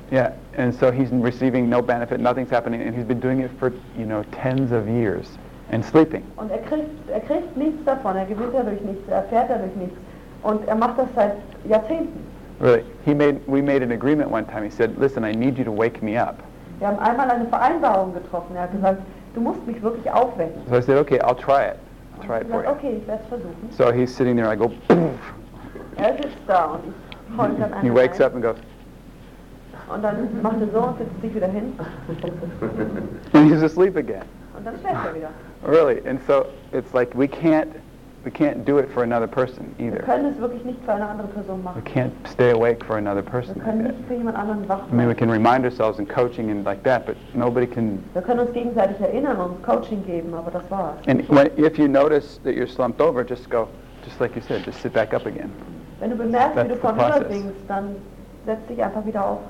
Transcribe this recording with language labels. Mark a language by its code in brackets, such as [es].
[en] Yeah, and so he's receiving no benefit, nothing's happening, and he's been doing it for, tens of years, and sleeping. [de] Und er kriegt nichts davon, er gewinnt dadurch nichts, er erfährt dadurch nichts, und er macht das seit Jahrzehnten. [en] Really, we made an agreement one time, he said, listen, I need you to wake me up. [de] Wir haben einmal eine Vereinbarung getroffen, er hat gesagt, du musst mich wirklich aufwecken. [en] So I said, okay, I'll try it. I'll try it for you. [de] Okay, ich werde es versuchen. [en] So he's sitting there, I go, poof. [de] Er sitzt da und ich hole ihn an. [en] He wakes up and goes. [de] Und dann macht er so und setzt sich wieder hin. [en] And he's asleep again. [de] Und dann schläft er wieder. [en] Really, and so it's like we can't do it for another person either. [de] Wir können es wirklich nicht für eine andere Person machen. [en] We can't stay awake for another person. [de] Wir können nicht für jemand anderen wach machen. [en] I mean, we can remind ourselves in coaching and like that, but nobody can. [de] Wir können uns gegenseitig erinnern und Coaching geben, aber das war's. [en] And if you notice that you're slumped over, just go, just like you said, just sit back up again. [de] Wenn du bemerkst, wie du vorüberdingst, dann setz dich einfach wieder auf.